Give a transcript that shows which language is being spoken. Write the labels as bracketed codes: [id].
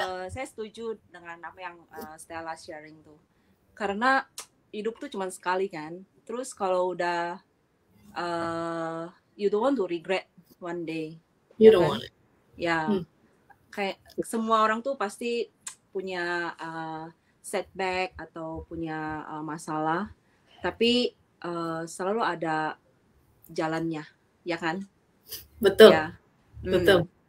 [id] Saya setuju dengan apa yang Stella sharing tuh, karena hidup tuh cuma sekali kan. Terus kalau udah [en] you don't want to regret one day. You don't want it. Yeah. [id] Kayak semua orang tuh pasti punya setback atau punya masalah, tapi selalu ada jalannya, ya kan? Betul. Yeah. Betul.